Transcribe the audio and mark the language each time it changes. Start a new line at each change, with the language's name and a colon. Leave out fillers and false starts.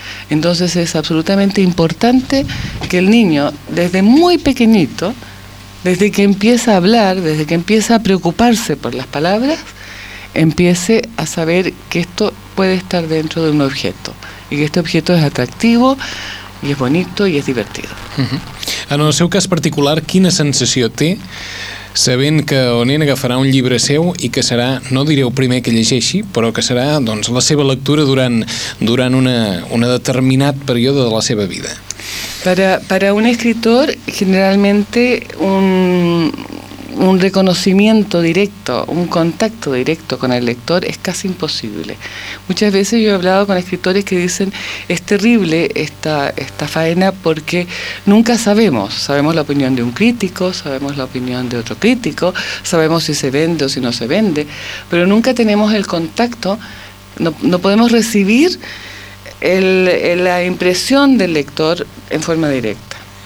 Spanish: Entonces es absolutamente importante que el niño, desde muy pequeñito, desde que empieza a hablar, desde que empieza a preocuparse por las palabras, empiece a saber que esto puede estar dentro de un objeto, y que este objeto es atractivo, y es bonito, y es divertido.
Catalan: En el seu cas particular, quina sensació té sabent que el nen agafarà un llibre seu i que serà, no diré el primer que llegeixi, però que serà doncs, la seva lectura durant un determinat període de la seva vida?
Spanish: Para un escritor, generalmente un reconocimiento directo, un contacto directo con el lector es casi imposible. Muchas veces yo he hablado con escritores que dicen, es terrible esta faena porque nunca sabemos la opinión de un crítico, sabemos la opinión de otro crítico, sabemos si se vende o si no se vende, pero nunca tenemos el contacto, no podemos recibir la impresión del lector en forma directa.